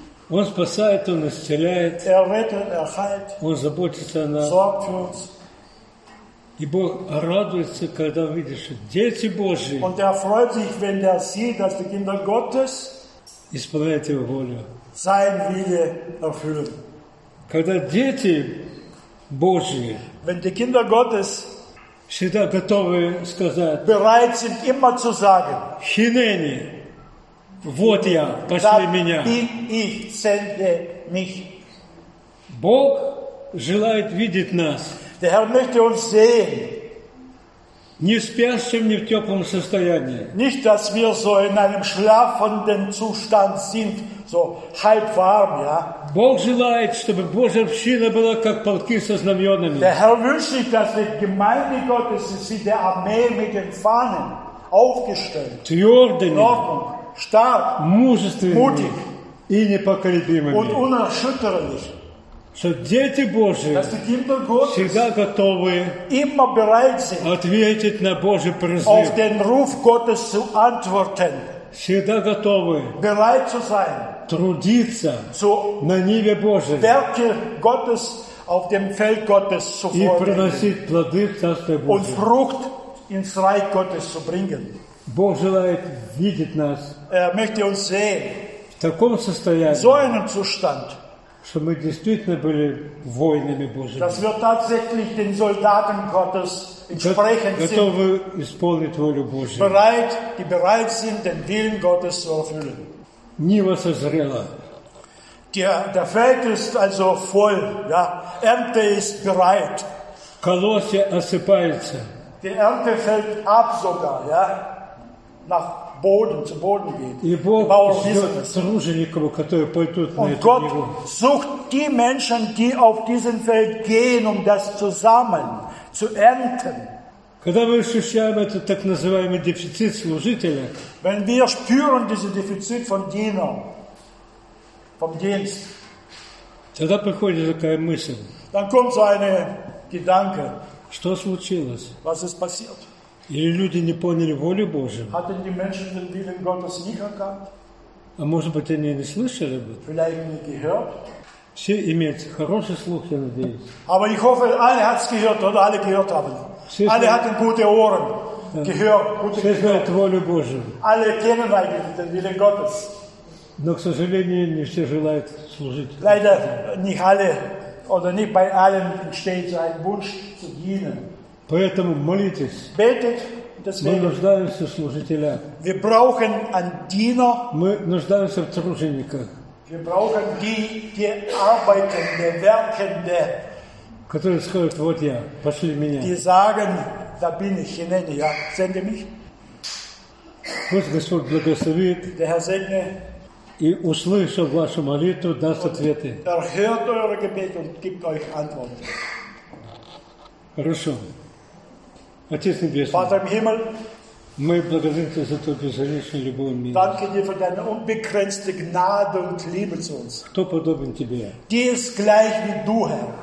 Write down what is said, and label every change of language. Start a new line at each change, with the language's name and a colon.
Russian: Он спасает, Он исцеляет, Он заботится о нас. И Бог радуется, когда видит, что дети Божьи.
German: Und er freut sich, wenn er sieht, dass die Kinder Gottes
Russian: исполняют его волю.
German: Sein Wille erfüllen.
Russian: Когда дети Божьи.
German: Wenn die Kinder Gottes
Russian: всегда готовы сказать.
German: Bereit sind immer zu sagen.
Russian: Хинени. Вот я, пошли меня.
German: Ich sende mich.
Russian: Бог желает видеть нас.
German: Der Herr möchte uns sehen.
Russian: Не в спящем, не в теплом состоянии.
German: Nicht, dass wir so in einem schlafenden Zustand sind, so halb warm, ja.
Russian: Бог желает, чтобы Божья община была как полки со знаменами.
German: Der Herr wünscht sich, dass die Gemeinde Gottes ist wie der Armee mit den Fahnen aufgestellt.
Russian: Твердыми.
German: Ordnung, stark.
Russian: Мужественными.
German: Mutig.
Russian: И непоколебимыми.
German: Und unerschütterlich.
Russian: Что дети Божьи всегда готовы ответить на Божий призыв.
German: Auf den Ruf Gottes zu antworten.
Russian: Всегда готовы
German: bereit zu sein,
Russian: трудиться
German: zu
Russian: на ниве Божьей.
German: Werke Gottes auf dem Feld Gottes zu
Russian: и приносить плоды Царства Божьего.
German: Und Frucht ins Reich Gottes zu bringen.
Russian: Бог желает видеть нас
German: möchte uns sehen,
Russian: в таком состоянии,
German: in so einem Zustand,
Russian: что мы действительно были воинами Божьими. Готовы исполнить волю Божью.
German: Bereit, die bereit sind, den Willen Gottes zu erfüllen.
Russian: Нива созрела.
German: Der Feld ist also voll, ja. Ernte ist bereit.
Russian: колосья осыпаются.
German: Die Ernte fällt ab sogar, ja, nach Boden, zu Boden geht.
Russian: И Бог ждет тружеников, которые пойдут на эту
German: Gott Ниву. Sucht die Menschen, die auf diesem Feld gehen, um das zu sammeln, zu ernten.
Russian: Когда мы ощущаем этот так называемый дефицит служителя,
German: wenn wir spüren diesen Defizit von Diener, vom Dienst,
Russian: тогда приходит такая мысль.
German: Dann kommt so eine Gedanke.
Russian: Что случилось?
German: Was ist passiert?
Russian: Или люди не поняли воли Божьей?
German: Hatten die Menschen den Willen Gottes nicht erkannt?
Russian: А может быть, они не слышали бы?
German: Vielleicht nicht gehört?
Russian: Все имеют хороший слух, я надеюсь.
German: Aber ich hoffe, alle hat's gehört, oder alle gehört haben.
Russian: Все
German: alle
Russian: знают.
German: Hatten gute Ohren, ja. Gehört, gute
Russian: Все знают волю Божью.
German: Alle kennen eigentlich den Willen Gottes.
Russian: Но, к сожалению, не все желают служить.
German: Leider nicht alle. Oder nicht bei allen entsteht ein Wunsch zu dienen.
Russian: Поэтому молитесь.
German: Betet,
Russian: мы нуждаемся в служителях.
German: Wir brauchen einen Diener.
Russian: Мы нуждаемся в тружениках.
German: Wir brauchen die arbeitende, werkende.
Russian: Которые скажут, вот я, пошли меня.
German: Die sagen, da bin ich, hinein, ja, sende mich.
Russian: Пусть Господь благословит.
German: Der Herr segne.
Russian: И услышав вашу молитву, даст ответы.
German: Er hört eure Gebete und gibt euch Antworten.
Russian: Хорошо. Отец Небесный,
German: Vater im Himmel,
Russian: мы благодарим тебя за твою безграничную любовь и милость.
German: Danke dir für deine unbegrenzte Gnade und Liebe zu uns.
Russian: Кто подобен тебе?
German: Die ist gleich wie du, Herr.